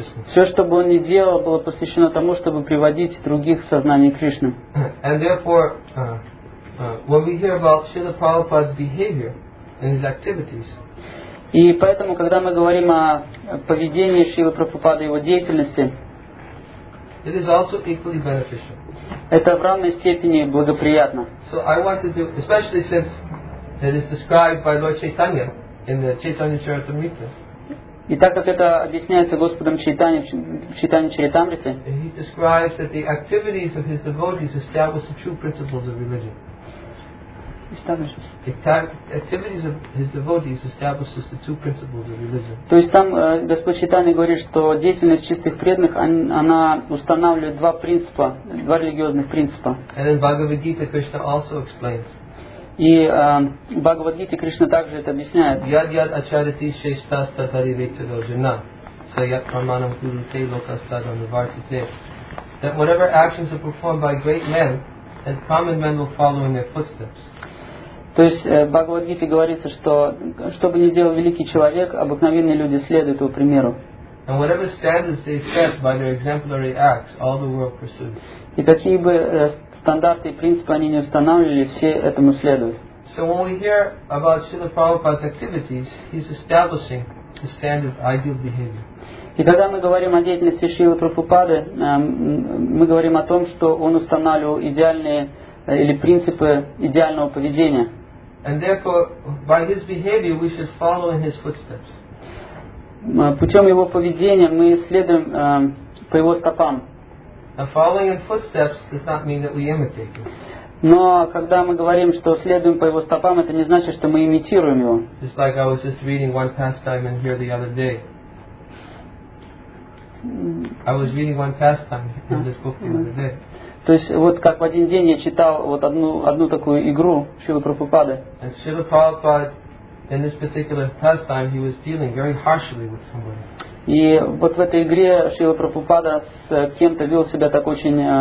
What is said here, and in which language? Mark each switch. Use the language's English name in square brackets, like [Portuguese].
[Russian] Все, что бы он ни делал, было посвящено тому, чтобы приводить других в сознание Кришны. [English] And therefore, when we hear about Srila Prabhupada's behavior and his activities, [Russian] и поэтому, когда мы говорим о поведении Шрилы Прабхупады и его деятельности, [English] it is also equally beneficial. [Russian] Это в равной степени благоприятно. [English] So I want to do, especially since it is described by Lord Chaitanya in the Chaitanya Charitamrita. [Russian] И так как это объясняется Господом Чайтани Чаритамрите, [English] he describes that the activities of his devotees establish the true principles of religion. Activities of his devotees establishes the two principles of religion. [Russian] То есть там Господь Чайтани говорит, что деятельность чистых преданных она устанавливает два принципа, два религиозных принципа. [English] And in Bhagavad Gita, Krishna also explains. [Russian] И в Бхагавад-гите Кришна также это объясняет. [Sanskrit] Яд яд ачарити шештаста таривете дожина саят праманам куру те локастадам навартите. [English] That whatever actions are performed by great men, that common men will follow in their footsteps. [Russian] То есть в Бхагавад-гите говорится, что бы ни делал великий человек, обыкновенные люди следуют его примеру. [English] And whatever standards they set by their exemplary acts, all the world pursues. [Russian] И какие бы стандарты и принципы они не устанавливали, все этому следуют. [English] So when we hear about Srila Prabhupada's activities, he's establishing the standard ideal behavior. [Russian] И когда мы говорим о деятельности Шрилы Прабхупады, мы говорим о том, что он устанавливал идеальные или принципы идеального поведения. [English] And therefore, by his behavior, we should follow in his footsteps. [Russian] Путем его поведения мы следуем по его стопам. [English] Now, following in footsteps does not mean that we imitate him. [Russian] Но когда мы говорим, что следуем по его стопам, это не значит, что мы имитируем его. [English] Just like I was just reading one pastime in here the other day. I was reading one pastime in this book the other day. [Russian] То есть вот как в один день я читал вот одну такую игру Шрилы Прабхупады. [English] And Srila Prabhupada, in this particular pastime, he was dealing very harshly with somebody. [Russian] И вот в этой игре Шрила Прабхупада с кем-то вел себя так очень